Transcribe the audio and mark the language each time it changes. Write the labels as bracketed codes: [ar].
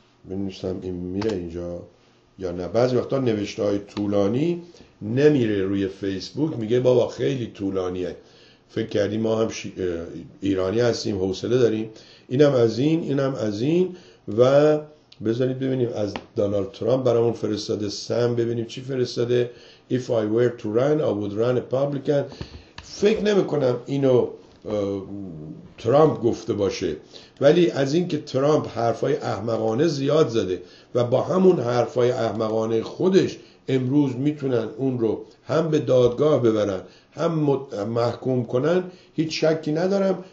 [fa] بنویسم این میره اینجا یا نه. بعضی وقتا نوشته های طولانی نمیره روی فیسبوک، میگه بابا خیلی طولانیه، فکر کردی ما هم ایرانی هستیم حوصله داریم، اینم از این، اینم از این، و بذارید ببینیم از دونالد ترامپ برامون فرستاده، سم ببینیم چی فرستاده. [en] If I were to run I would run a Republican. [fa] فکر نمی کنم اینو ترامپ گفته باشه، ولی از اینکه ترامپ حرفای احمقانه زیاد زده و با همون حرفای احمقانه خودش امروز میتونن اون رو هم به دادگاه ببرن هم محکوم کنن، هیچ شکی ندارم.